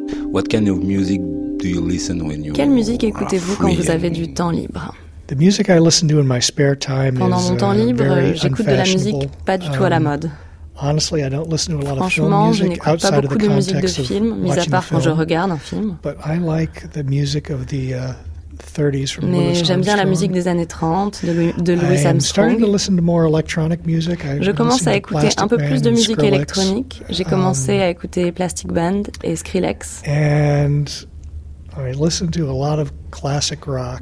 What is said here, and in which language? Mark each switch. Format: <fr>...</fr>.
<en>What kind of music do you listen when you</en> <fr>Quelle musique écoutez-vous quand vous avez du temps libre?</fr> <en>The music I listen to in my spare time</en> <fr>Pendant</fr> <en>is,</en> <fr>mon temps libre, j'écoute de la musique pas du tout à la mode.</fr> <en>Honestly, I don't listen to a lot of film music outside of the context of watching a film.</en> <fr>Je n'écoute pas beaucoup de musique de film, mis à part quand je regarde un film.</fr> <en>But I like the music of the 30s from</en> <fr>Mais Louis j'aime bien la musique des années 30 de Louis Armstrong.</fr> <en>I'm starting to more electronic music.</en> <fr>Je commence à écouter un peu plus de musique électronique. J'ai commencé à écouter Plastic Band et Skrillex.</fr> <en>And I listen to a lot of classic rock.</en>